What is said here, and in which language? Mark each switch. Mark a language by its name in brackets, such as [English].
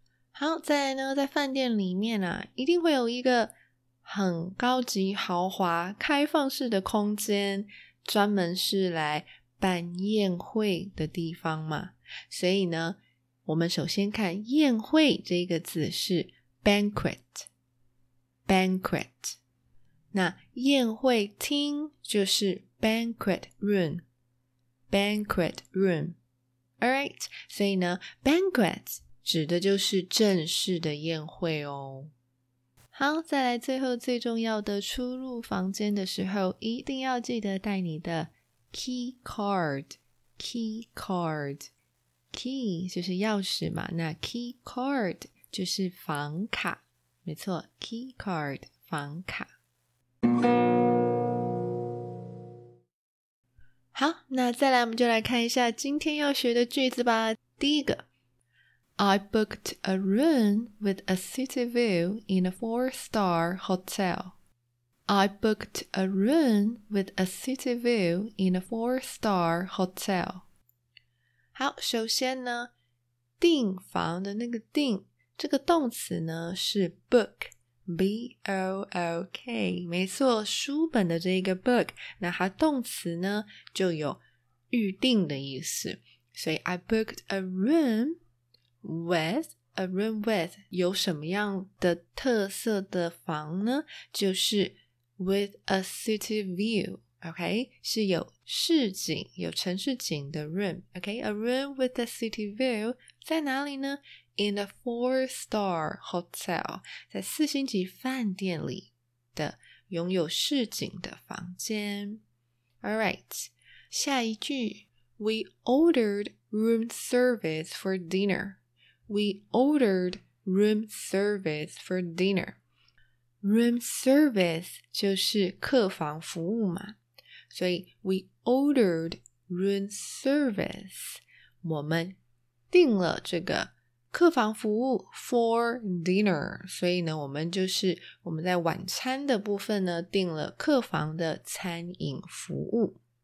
[Chinese] 好，再来呢，在饭店里面啊，一定会有一个很高级豪华开放式的空间，专门是来办宴会的地方嘛。所以呢，我们首先看宴会这个字是 banquet， banquet。那宴会厅就是 banquet room， banquet room。 Alright， 所以呢 banquet指的就是正式的宴会哦。好，再来最后最重要的，出入房间的时候一定要记得带你的 key card， key card， key 就是钥匙嘛，那 key card 就是房卡，没错， key card 房卡。好，那再来我们就来看一下今天要学的句子吧。 [English] 第一个，I booked a room with a city view in a four-star hotel. I booked a room with a city view in a four-star hotel. [Chinese] 好，首先呢，订房的那个订这个动词呢是 book, B-O-O-K, 没错，书本的这个 book, 那它动词呢就有预定的意思。所以 [English] I booked a room with, a room with, [Chinese] 有什么样的特色的房呢？就是 [English] with a city view, [Chinese] OK, 是有市景，有城市景的 room, OK, [English] a room with a city view, [Chinese] 在哪里呢？ [English] In a four-star hotel, [Chinese] 在四星级饭店里的拥有市景的房间。 [English] Alright, [Chinese] 下一句， [English] We ordered room service for dinner. We ordered room service for dinner. [Chinese] Room service 就是客房服务嘛。所以 [English] we ordered room service, [Chinese] 我们订了这个客房服务 [English] for dinner, [Chinese] 所以呢我们就是我们在晚餐的部分呢订了客房的餐饮服务。